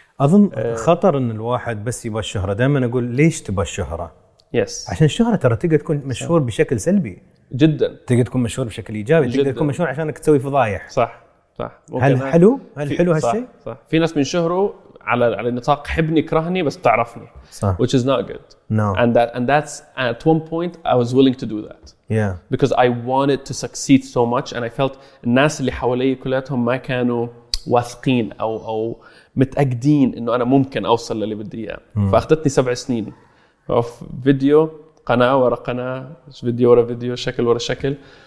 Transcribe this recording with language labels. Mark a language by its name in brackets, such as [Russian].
[Arabic] أظن خطر أن الواحد بس يبى الشهرة. دائما أقول ليش تبى الشهرة؟ [English] yes. [Arabic] عشان الشهرة ترى تقدر تكون مشهور بشكل سلبي جدا، تقدر تكون مشهور بشكل إيجابي، تقدر تكون مشهور عشانك تسوي فضايح. صح صح. هل حلو هالشيء؟ صح. في ناس من شهره على النطاق حبني كرهني بس تعرفني. صح. [English] which is not good. no. and that's at one point I was willing to do that. yeah. because I wanted to succeed so much and I felt [Arabic] الناس اللي حوالي كلاتهم ما كانوا واثقين أو متأكدين إنه أنا ممكن أوصل للي بدي إياه. فأخذتني 7 سنين [English] of video، [Arabic] قناة ورا قناة، فيديو ورا فيديو، شكل ورا شكل.